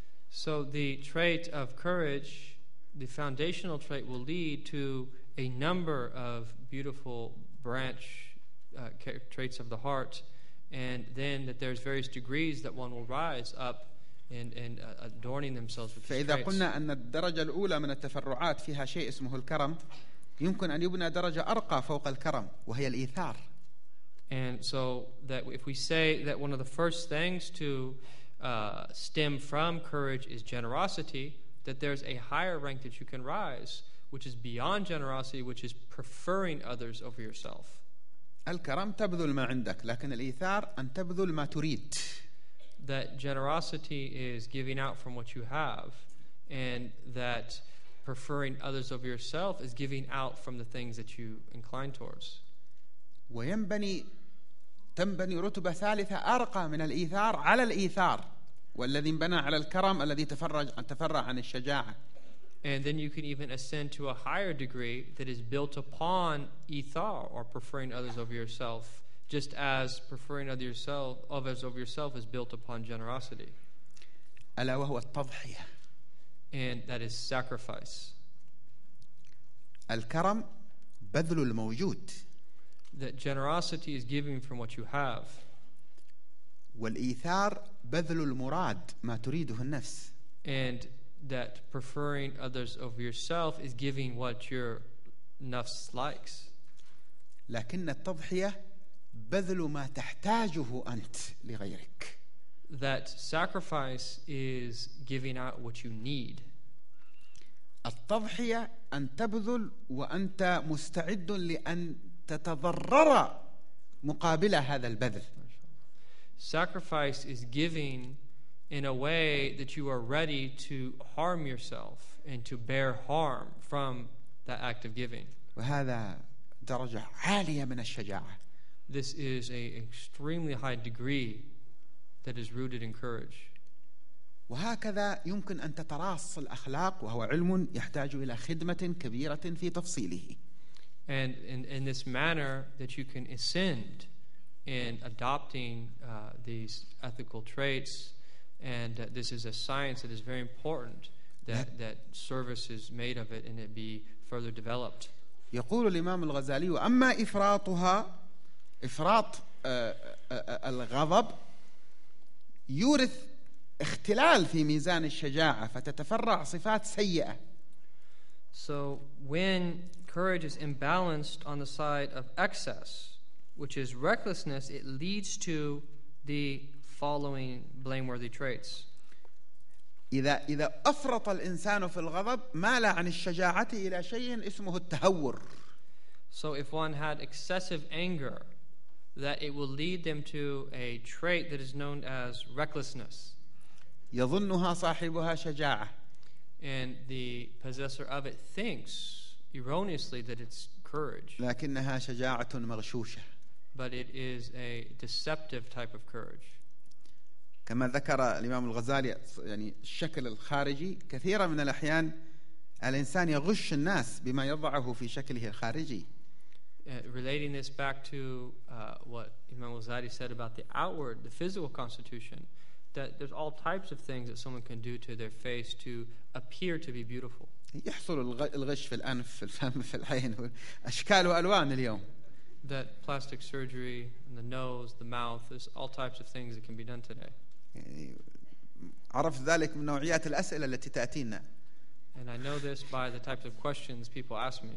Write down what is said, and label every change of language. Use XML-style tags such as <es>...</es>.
<en>So the trait of courage, the foundational trait, will lead to a number of beautiful branch traits of the heart, and then that there's various degrees that one will rise up and adorning themselves with these traits.</en> <ar>فإذا قلنا أن الدرجة الأولى من التفرعات فيها شيء اسمه الكرم، يمكن أن يبنى درجة أرقى فوق الكرم وهي الإيثار.</ar> <en>And so that if we say that one of the first things to stem from courage is generosity, that there's a higher rank that you can rise, which is beyond generosity, which is preferring others over yourself.</en> <ar>الكرم تبذل ما عندك، لكن الإيثار أن تبذل ما تريد.</ar> <en>That generosity is giving out from what you have, and that preferring others over yourself is giving out from the things that you incline towards.</en> <ar>وينبني تنبني رتبة ثالثة أرقى من الإيثار على الإيثار، والذي بنى على الكرم الذي تفرع عن الشجاعة.</ar> <en>And then you can even ascend to a higher degree that is built upon ithar, or preferring others over yourself, just as preferring others over yourself is built upon generosity.</en> <ar>ألا وهو التضحية.</ar> <en>And that is sacrifice.</en> <ar>الكرم بذل الموجود.</ar> <en>That generosity is giving from what you have.</en> <ar>والإيثار بذل المراد ما تريده النفس.</ar> <en>And that preferring others over yourself is giving what your nafs likes.</en> <ar>لكن التضحية بذل ما تحتاجه أنت لغيرك.</ar> <en>That sacrifice is giving out what you need.</en> <ar>التضحية أن تبذل وأنت مستعد لأن تتضرر مقابل هذا البذل.</ar> <en>Sacrifice is giving in a way that you are ready to harm yourself and to bear harm from that act of giving.</en> <ar>وهذا درجة عالية من الشجاعة.</ar> <en>This is an extremely high degree that is rooted in courage.</en> <ar>وهكذا يمكن أن تتراص الأخلاق، وهو علم يحتاج إلى خدمة كبيرة في تفصيله.</ar> <en>And in this manner that you can ascend in adopting these ethical traits. And this is a science that is very important, that service is made of it and it be further developed.</en> <ar>يقول الإمام الغزالي أما إفراطها إفراط الغضب يورث اختلال في ميزان الشجاعة فتتفرع صفات سيئة.</ar> <en>So when courage is imbalanced on the side of excess, which is recklessness, it leads to the following blameworthy traits.</en> <ar>إذا أفرط الإنسان في الغضب مال عن الشجاعة إلى شيء اسمه التهور.</ar> <en>So if one had excessive anger, that it will lead them to a trait that is known as recklessness.</en> <ar>يظنها صاحبها شجاعة.</ar> <en>And the possessor of it thinks erroneously that it's courage.</en> <ar>لكنها شجاعة مغشوشة.</ar> <en>But it is a deceptive type of courage.</en> <ar>كما ذكر الإمام الغزالي يعني الشكل الخارجي كثيرا من الأحيان الإنسان يغش الناس بما يضعه في شكله الخارجي.</ar> <en>Relating this back to what Imam Ghazali said about the outward, the physical constitution, that there's all types of things that someone can do to their face to appear to be beautiful.</en> <ar>يحصل الغش في الأنف في الفم في العين أشكال وألوان اليوم.</ar> <en>That plastic surgery in the nose, the mouth, there's all types of things that can be done today.</en> <ar>عرف ذلك من نوعيات الأسئلة التي تأتينا.</ar> <en>And I know this by the types of questions people ask me.</en>